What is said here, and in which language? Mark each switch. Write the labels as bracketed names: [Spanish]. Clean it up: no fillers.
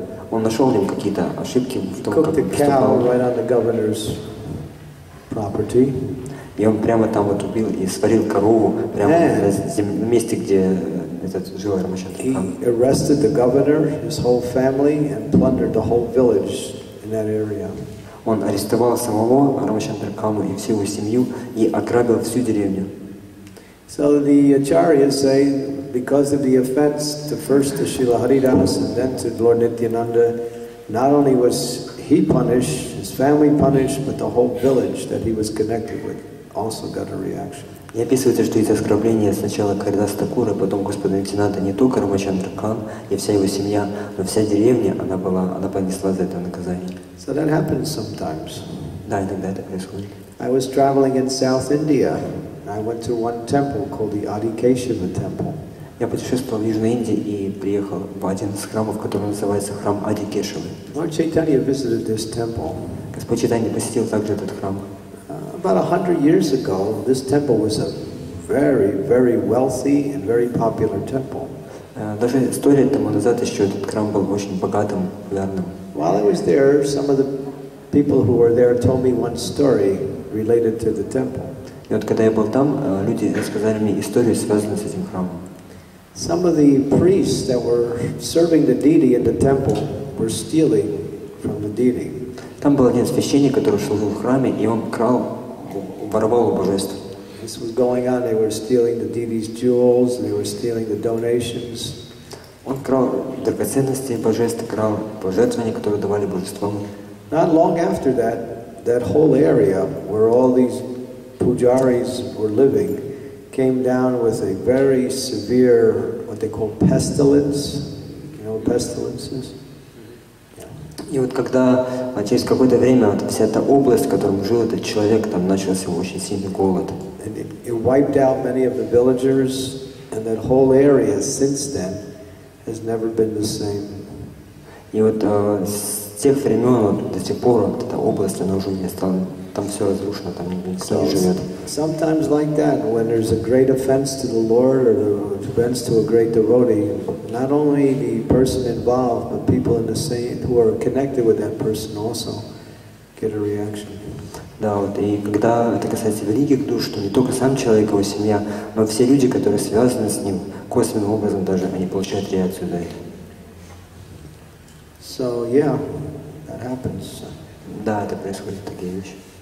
[Russian] Он нашел в нем какие-то ошибки в том, как он поступал. И он прямо там вот убил и сварил корову прямо на месте, где этот жил Рамачандра Кхан. [English] He arrested the governor, his whole family, and plundered the whole village in that area. [Russian] Он арестовал самого Рамачандра Кхану и всю его семью и ограбил всю деревню. [English] So the acharyas say, because of the offense to first to Srila Haridas and then to Lord Nityananda, not only was he punished, his family punished, but the whole village that he was connected with also got a reaction. [Russian] И описывается, что из-за оскорбления сначала Харидаса Такура, потом Господа Нитинанда, не только Рамачандра Кхан и вся его семья, но вся деревня, она понесла за это наказание. [English] So that happens sometimes. [Russian] Да, иногда это происходит. [English] I was traveling in South India, and I went to one temple called the Adikeshava Temple. [Russian] Я путешествовал в Южной Индии и приехал в один из храмов, который называется храм Адикешавы. [English] Lord Chaitanya visited this temple. [Russian] Господь Чайтанья посетил также этот храм. [English] About 100 years ago, this temple was a very, very wealthy and very popular temple. [Russian] Даже 100 лет тому назад еще этот храм был очень богатым, популярным. [English] While I was there, some of the people who were there told me one story related to the temple. [Russian] И вот когда я был там, люди рассказали мне историю, связанную с этим храмом. [English] Some of the priests that were serving the deity in the temple were stealing from the deity. [Russian] Там был один священник, который служил в храме, и он крал, воровал у божества. [English] This was going on. They were stealing the deity's jewels. They were stealing the donations. [Russian] Он крал драгоценности божеств, крал пожертвования, которые давали божествам. [English] Not long after that, that whole area where all these pujaris were living came down with a very severe, what they call pestilence. You know, pestilences. [Russian] И вот когда через какое-то время вот вся эта область, в котором жил этот человек, там начался очень сильный голод. [English] And it wiped out many of the villagers, and that whole area since then has never been the same. [Russian] И вот с тех времен вот, до сих пор вот, эта область, она уже не стала, там все разрушено, там никто не живет. [English] Sometimes like that, when there's a great offense to the Lord or the offense to a great devotee, not only the person involved, but people in the same who are connected with that person also get a reaction. [Russian] Да, вот, и когда это касается великих душ, то не только сам человек, его семья, но все люди, которые связаны с ним, косвенным образом даже, они получают реакцию за это. [English] So yeah, that happens. [Russian] Да, это происходит такие вещи.